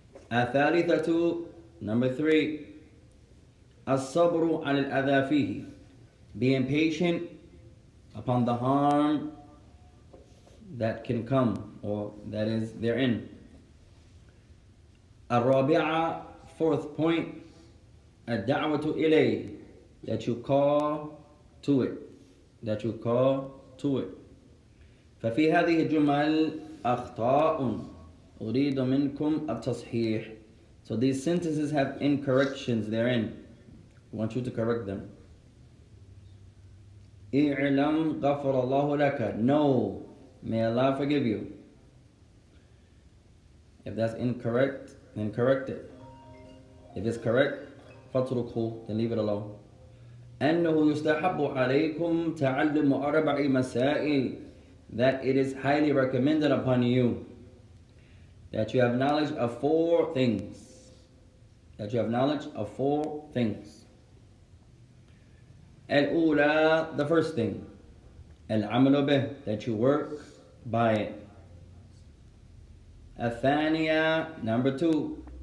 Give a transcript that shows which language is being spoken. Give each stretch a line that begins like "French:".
Arabic: الثالثة
English: number three
Arabic: الصبر على الأذى فيه
English: being patient upon the harm that can come or that is therein.
Arabic: الرابعة
English: fourth point
Arabic: الدعوة إليه
English: that you call to it.
Arabic: ففي هذه الجمل أخطاء أريد منكم التصحيح.
English: So these sentences have incorrections therein. I want you to correct them.
Arabic: إعلم غفر الله لك.
English: No, may Allah forgive you. If that's incorrect, then correct it. If it's correct,
Arabic: فتركه,
English: then leave it alone.
Arabic: أنه يستحب عليكم تعلم أربع مسائل.
English: That it is highly recommended upon you that you have knowledge of four things.
Arabic: الأولى,
English: the first thing.
Arabic: العمل به,
English: that you work by it.
Arabic: الثانية,
English: number two.